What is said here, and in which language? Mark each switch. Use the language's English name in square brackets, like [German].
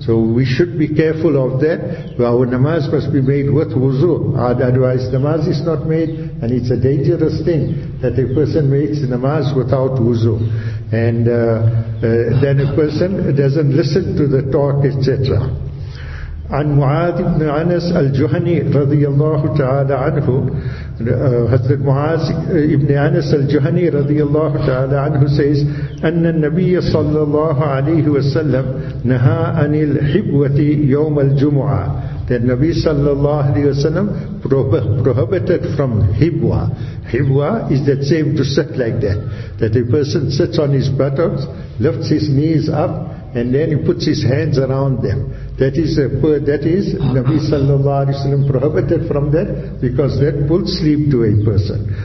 [English] So we should be careful of that. Our namaz must be made with wuzu. Otherwise namaz is not made, and it's a dangerous thing that a person makes namaz without wuzu. And then a person doesn't listen to the talk, etc. [Arabic] عن معاذ بن أنس الجهني رضي الله تعالى عنه. حضرت معاذ بن أنس الجهني رضي الله تعالى عنه [English] says [Arabic] أن النبي صلى الله عليه وسلم نهى عن الحبوة يوم الجمعة. [English] The Nabi sallallahu alayhi wa sallam prohibited from hibwa. Hibwa is that same to sit like that. That a person sits on his buttocks, lifts his knees up, and then he puts his hands around them. That is Nabi sallallahu alayhi wa sallam prohibited from that, because that puts sleep to a person.